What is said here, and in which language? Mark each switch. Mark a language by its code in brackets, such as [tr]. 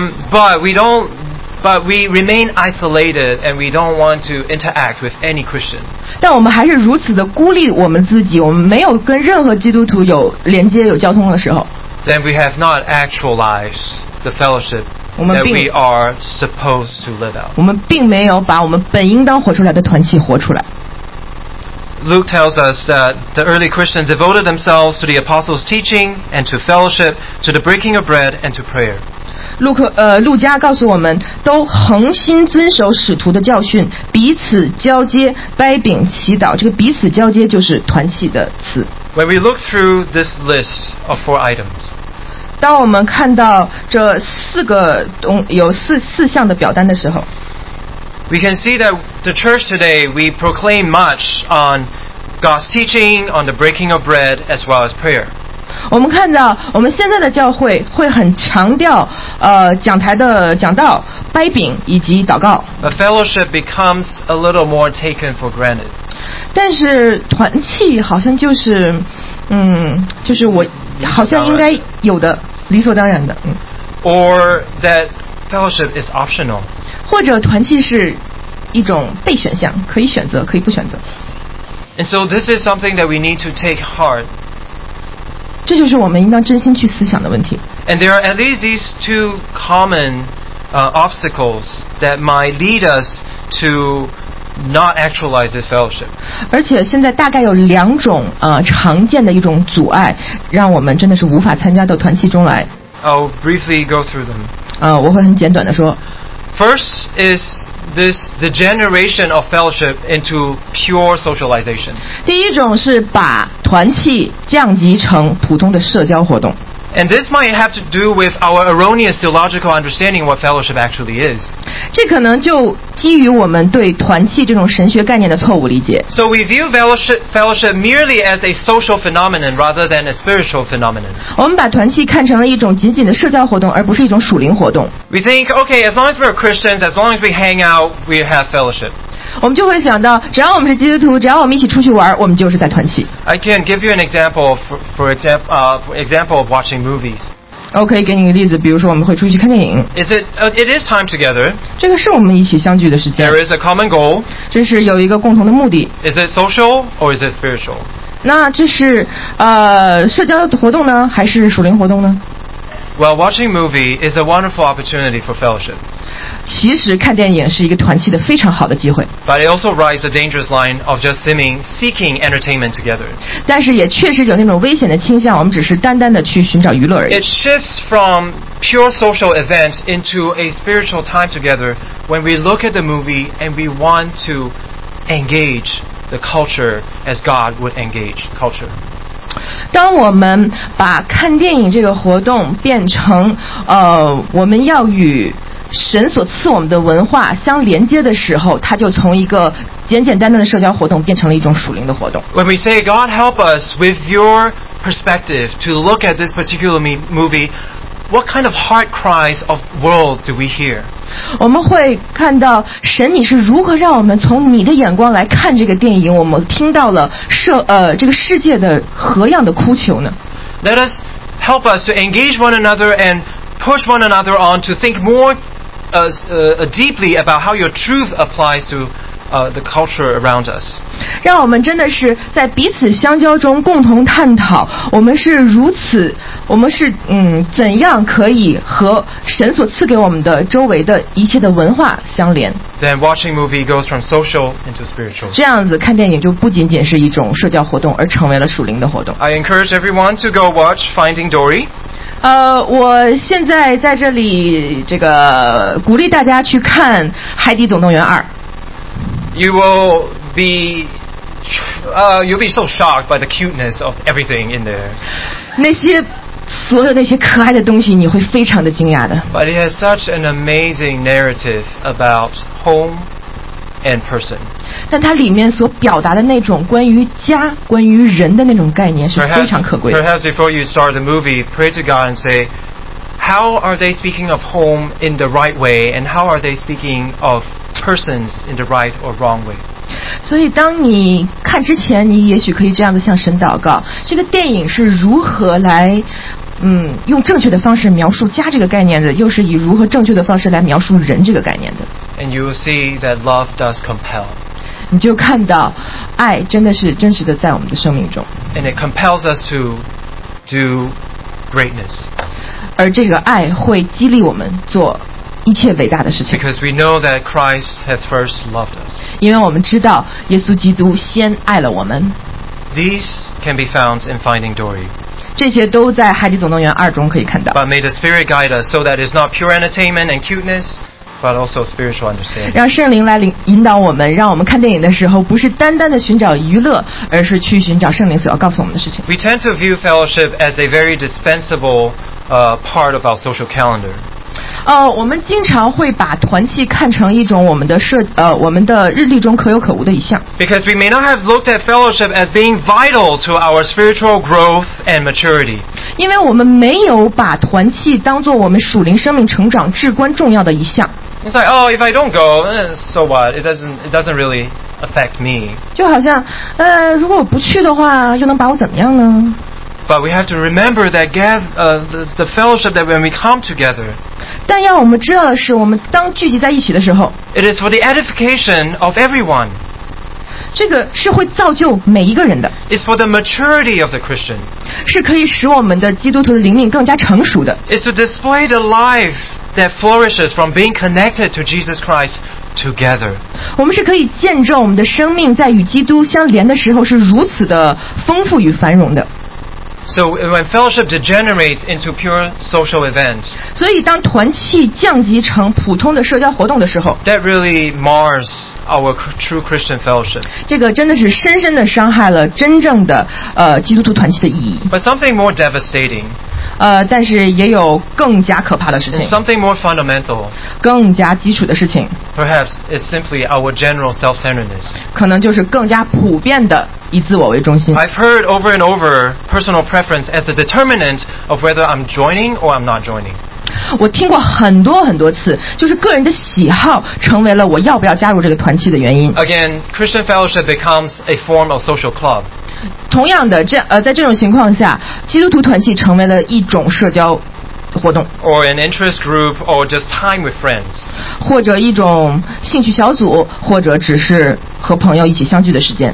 [en] But we remain isolated and we don't want to interact with any Christian. [zh] 但我们还是如此的孤立我们自己，我们没有跟任何基督徒有连接、有交通的时候。 [en] Then we have not actualized the fellowship that we are supposed to live out. [zh] 我们并没有把我们本应当活出来的团契活出来。 [en] Luke tells us that the early Christians devoted themselves to the apostles' teaching and to fellowship, to the breaking of bread and to prayer. [zh] Luke 家告诉我们都恒心遵守使徒的教训，彼此交接，掰饼祈祷。这个彼此交接就是团契的词。 [en] When we look through this list of four items, [zh] 当我们看到这四个有四项的表单的时候。 [en] We can see that the church today, we proclaim much on God's teaching, on the breaking of bread, as well as prayer. [zh] 我们看到我们现在的教会会很强调讲台的讲道、掰饼以及祷告。 [en] A fellowship becomes a little more taken for granted. [zh] 但是团契好像就是就是我好像应该有的理所当然的。 [en] Or that fellowship is optional. [zh] 或者团契是一种备选项，可以选择，可以不选择。 [en] And so this is something that we need to take heart. [zh] 这就是我们应当真心去思想的问题。 [en] And there are at least these two common obstacles that might lead us to not actualize this fellowship. [zh] 而且现在大概有两种常见的一种阻碍，让我们真的是无法参加到团契中来。 [en] I'll briefly go through them. [zh] 我会很简短的说。 [en] First is this degeneration of fellowship into pure socialization. [zh] 第一种是把团契降级成普通的社交活动。 [en] And this might have to do with our erroneous theological understanding of what fellowship actually is. [zh] 这可能就基于我们对团契这种神学概念的错误理解。 [en] So we view fellowship merely as a social phenomenon rather than a spiritual phenomenon. [zh] 我们把团契看成了一种仅仅的社交活动，而不是一种属灵活动。 [en] We think, okay, as long as we're Christians, as long as we hang out, we have fellowship. [zh] 我们就会想到，只要我们是基督徒，只要我们一起出去玩，我们就是在团契。 [en] I can give you an example for example of watching movies. [zh] 我可以给你一个例子，比如说我们会出去看电影。 [en] It is time together. [zh] 这个是我们一起相聚的时间。 [en] There is a common goal. [zh] 这是有一个共同的目的。 [en] Is it social or is it spiritual? [zh] 那这是社交活动呢，还是属灵活动呢？ [en] Well, watching movie is a wonderful opportunity for fellowship. [zh] 其实看电影是一个团契的非常好的机会。 [en] But it also rides a dangerous line of just seeking entertainment together. [zh] 但是也确实有那种危险的倾向，我们只是单单的去寻找娱乐而已。 [en] It shifts from pure social event into a spiritual time together when we look at the movie and we want to engage the culture as God would engage culture. [zh] 当我们把看电影这个活动变成我们要与神所赐我们的文化相连接的时候，它就从一个简简单单的社交活动变成了一种属灵的活动。 [en] When we say, God help us with your perspective to look at this particular movie, what kind of heart cries of the world do we hear? [zh] 我们会看到神你是如何让我们从你的眼光来看这个电影，我们听到了这个世界的何样的哭求呢？ [en] Let us help us to engage one another and push one another on to think more deeply about how your truth applies to the culture around us. [zh] 让我们真的是在彼此相交中共同探讨，我们是如此，我们是怎样可以和神所赐给我们的周围的一切的文化相连。 [en] Then watching movie goes from social into spiritual. [zh] 这样子看电影就不仅仅是一种社交活动，而成为了属灵的活动。 [en] I encourage everyone to go watch Finding Dory. [zh] 我现在在这里这个鼓励大家去看《海底总动员二》。 [en] You will be, you'll be so shocked by the cuteness of everything in there. [zh] 那些所有那些可爱的东西，你会非常的惊讶的。 [en] But it has such an amazing narrative about home and person. [zh] 但它里面所表达的那种关于家、关于人的那种概念是非常可贵的。 [en] Perhaps before you start the movie, pray to God and say, how are they speaking of home in the right way, and how are they speaking of persons in the right or wrong way. [zh] 所以当你看之前，你也许可以这样子向神祷告，这个电影是如何来用正确的方式描述家这个概念的，又是以如何正确的方式来描述人这个概念的。 [en] And you will see that love does compel. [zh] 你就看到爱真的是真实的在我们的生命中。 [en] And it compels us to do greatness. [zh] 而这个爱会激励我们做一切伟大的事情。 [en] Because we know that Christ has first loved us. [zh] 因为我们知道耶稣基督先爱了我们。 [en] These can be found in Finding Dory. [zh] 这些都在《海底总动员二》中可以看到。 [en] But may the Spirit guide us so that it's not pure entertainment and cuteness, but also spiritual understanding. [zh] 让圣灵来引导我们，让我们看电影的时候不是单单的寻找娱乐，而是去寻找圣灵所要告诉我们的事情。 [en] We tend to view fellowship as a very dispensable part of our social calendar. [zh] 我们经常会把团契看成一种我们的日历中可有可无的一项。 [en] Because we may not have looked at fellowship as being vital to our spiritual growth and maturity. [zh] 因为我们没有把团契当作我们属灵生命成长至关重要的一项。 [en] It's like, oh, if I don't go, so what? It doesn't really affect me. [zh] 就好像，如果我不去的话，又能把我怎么样呢？ [en] But we have to remember that the fellowship that when we come together, [zh] 但要我们知道的是，我们当聚集在一起的时候， [en] it is for the edification of everyone. [zh] 这个是会造就每一个人的。 [en] It's for the maturity of the Christian. [zh] 是可以使我们的基督徒的灵命更加成熟的。 [en] It's to display the life that flourishes from being connected to Jesus Christ. Together, [zh] 我们是可以见证我们的生命在与基督相连的时候是如此的丰富与繁荣的。 [en] So when fellowship degenerates into pure social events, [zh] 所以当团契降级成普通的社交活动的时候， [en] that really mars our true Christian fellowship. [zh] 这个真的是深深的伤害了真正的基督徒团契的意义。 [en] But something more devastating. [zh] 但是也有更加可怕的事情。 [en] Something more fundamental. [zh] 更加基础的事情。 [en] Perhaps it's simply our general self-centeredness. [zh] 可能就是更加普遍的以自我为中心。 [en] I've heard over and over personal preference as the determinant of whether I'm joining or I'm not joining. [zh] 我听过很多很多次，就是个人的喜好成为了我要不要加入这个团契的原因。 [en] Again, Christian fellowship becomes a form of social club. [zh] 同样的，在这种情况下，基督徒团契成为了一种社交活动。 [en] Or an interest group, or just time with friends. [zh] 或者一种兴趣小组，或者只是和朋友一起相聚的时间。